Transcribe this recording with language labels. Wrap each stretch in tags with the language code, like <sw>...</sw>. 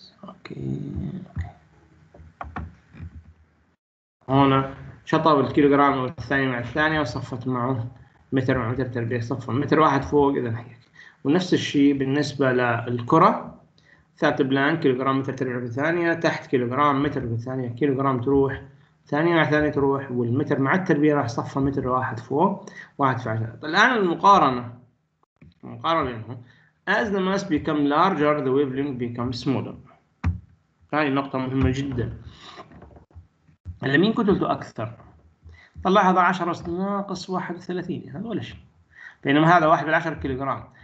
<ar>أوكي هنا شطب الكيلوغرام والثانية مع الثانية وصفت معه متر مع متر تربيع، صفوا متر واحد فوق إذا هيك. ونفس الشيء بالنسبة للكرة، ثابت بلانك كيلوغرام متر تربيع بالثانية تحت كيلوغرام متر بالثانية، كيلوغرام تروح ثانية مع ثانية تروح، والمتر مع التربيع راح صفه متر واحد فوق واحد في عشرة. الآن المقارنة بينهم،</ar> <en>as the mass become larger the wavelength becomes smaller.</en> <ar>هذه نقطة مهمة جدا، لمين كتلته أكثر؟ طلع هذا 10^31، هذا ولا شيء، بينما هذا 1/10 كيلوغرام.</ar>